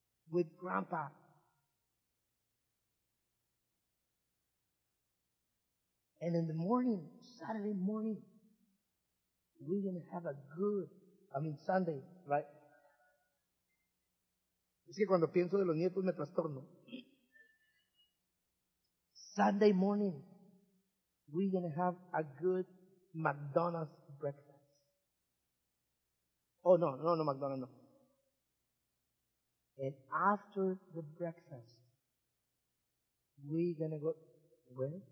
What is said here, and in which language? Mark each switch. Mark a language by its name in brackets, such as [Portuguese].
[English] With grandpa. And in the morning, Saturday morning, we're going to have a good, Sunday, right? [Spanish] Es que cuando pienso de los nietos me trastorno. [English] Sunday morning, we're going to have a good McDonald's breakfast. [Spanish] No, McDonald's, no. [English] And after the breakfast, we're gonna go, where?